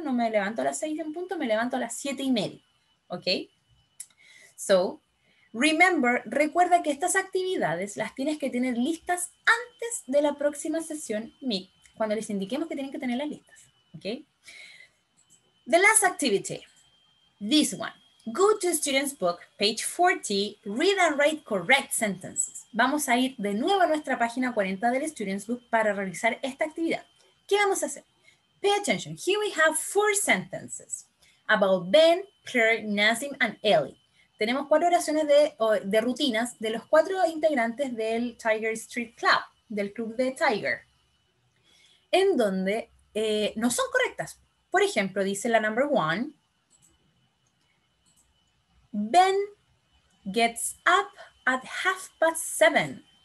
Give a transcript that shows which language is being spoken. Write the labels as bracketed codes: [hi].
[es] No me levanto a las 6:00, me levanto a las 7:30. ¿Ok? [en] So, remember, [es] recuerda que estas actividades las tienes que tener listas antes de la próxima sesión Meet, cuando les indiquemos que tienen que tener las listas. [en] ¿Ok? The last activity, this one. Go to student's book, page 40, read and write correct sentences. [es] Vamos a ir de nuevo a nuestra página 40 del student's book para realizar esta actividad. ¿Qué vamos a hacer? [en] Pay attention. Here we have 4 sentences about Ben, Claire, Nazim, and Ellie. [es] Tenemos 4 oraciones de rutinas de los 4 integrantes del Tiger Street Club, del club de Tiger, en donde no son correctas. Por ejemplo, dice la number one, Ben gets up at 7:30.